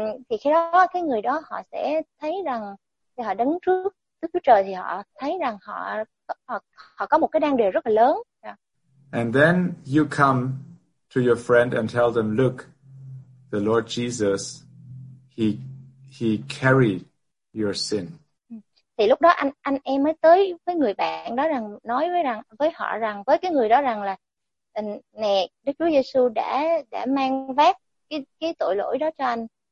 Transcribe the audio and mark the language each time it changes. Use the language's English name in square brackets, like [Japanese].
[Vietnamese] Thì khi đó cái người đó họ sẽ thấy rằng khi họ đứng trước Đức Chúa Trời thì họ thấy rằng họ có một cái đang đề rất là lớn. [English] And then you come to your friend and tell them, look, the Lord Jesus, he carried your sin. [Vietnamese] Thì lúc đó anh em mới tới với người bạn đó rằng, nói với rằng với họ rằng, với cái người đó rằng là nè, Đức Chúa Giêsu đã mang vác cái tội lỗi đó cho anh.